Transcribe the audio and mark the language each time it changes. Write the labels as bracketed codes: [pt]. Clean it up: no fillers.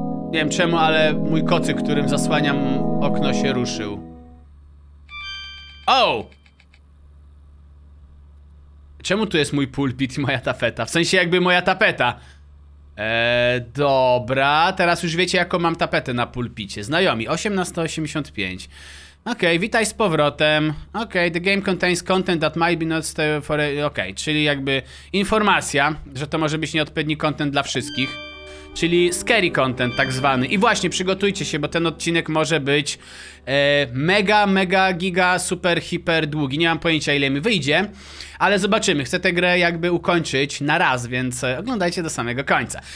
[pl] Nie wiem czemu, ale mój kocyk, którym zasłaniam okno, się ruszył. O! Czemu tu jest mój pulpit i moja tafeta? W sensie jakby moja tapeta. Dobra, teraz już wiecie, jaką mam tapetę na pulpicie. Znajomi, 1885. Okej, okay, witaj z powrotem. [en] Okej, okay, the game contains content that might be not stable for... [pl] Okej, okay, czyli jakby informacja, że to może być nieodpowiedni content dla wszystkich. Czyli [en] scary content [pl] tak zwany. I właśnie, przygotujcie się, bo ten odcinek może być mega, mega, giga, super, hiper długi. Nie mam pojęcia, ile mi wyjdzie, ale zobaczymy. Chcę tę grę jakby ukończyć na raz, więc oglądajcie do samego końca.